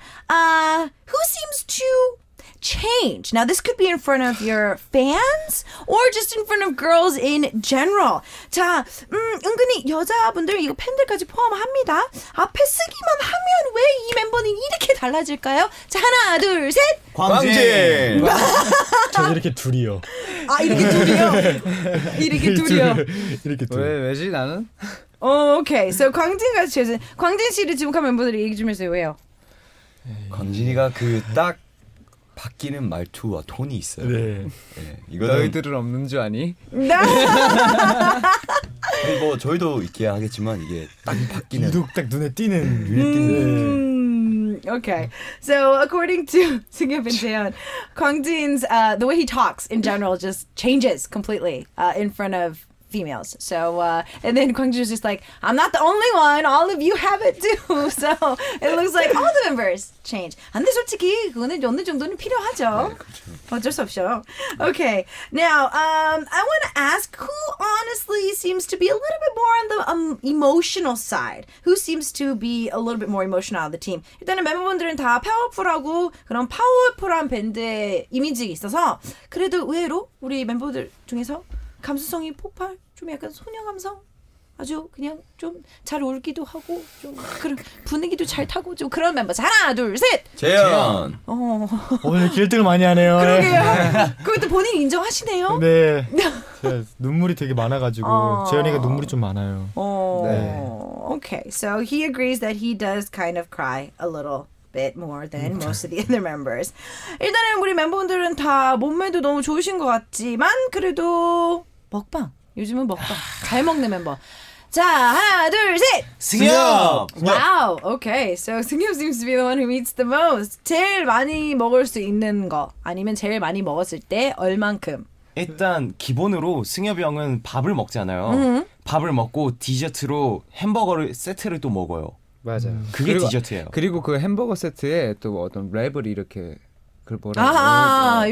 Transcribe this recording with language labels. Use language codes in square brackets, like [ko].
[en] Who seems to change? Now, this could be in front of your fans or just in front of girls in general. [ko] 자, 은근히 여자분들, 이거 팬들까지 포함합니다. 앞에 쓰기만 하면 왜 이 멤버는 이렇게 달라질까요? 자, 하나, 둘, 셋! 광진! 저 이렇게 둘이요. 아, 이렇게 둘이요? 이렇게 둘이요? 이렇게 둘. 왜지, 나는? 오, 오케이. So, 광진과 최진. 광진 씨를 지목한 멤버들이 얘기 좀 해주세요. 왜요? 광진이가 그 딱 바뀌는 말투와 톤이 있어요. 네. 네. 이거는 너희들은 없는 줄 아니? 아니 뭐 저희도 있게야 하겠지만 이게 딱 바뀌는 유독 딱 눈에 띄는 [en] Okay. So according to Seungyeob and Taewon, Kwangjin's the way he talks in general just changes completely in front of females. So and then Gwangju is just like, I'm not the only one. All of you have it too. So it looks like all the members change. [ko] 근데 솔직히 그거는 어느 정도는 필요하죠. 어쩔 수 없죠. Okay. [en] Now I want to ask who honestly seems to be a little bit more on the emotional side. Who seems to be a little bit more emotional on the team? [ko] 일단은 멤버분들은 다 파워풀하고 그런 파워풀한 밴드의 이미지가 있어서 그래도 의외로 우리 멤버들 중에서 감수성이 폭발, 좀 약간 소녀 감성, 아주 그냥 좀 잘 울기도 하고 좀 그런 분위기도 잘 타고 좀 그런 멤버. 하나, 둘, 셋. 재현. 오늘 길등을 많이 하네요. 그러게요. 그것도 본인 인정하시네요. 네. 눈물이 되게 많아가지고 재현이가 눈물이 좀 많아요. [en] 네. Okay, so he agrees that he does kind of cry a little. Bit more than most of the other members. [ko] 일단은 우리 멤버분들은 다 몸매도 너무 좋으신 것 같지만 그래도 먹방. 요즘은 먹방. 잘 먹는 멤버. 자, 하나, 둘, 셋. 승엽. [en] Wow. Okay. So 승엽 seems to be the one who eats the most. [ko] 제일 많이 먹을 수 있는 거 아니면 제일 많이 먹었을 때 얼만큼? 일단 기본으로 승엽이 형은 밥을 먹잖아요. Mm-hmm. 밥을 먹고 디저트로 햄버거를 세트를 또 먹어요. 맞아요. 그게 그리고, 디저트예요. 그리고 그 햄버거 세트에 또 어떤 랩을 이렇게 그걸 뭐라고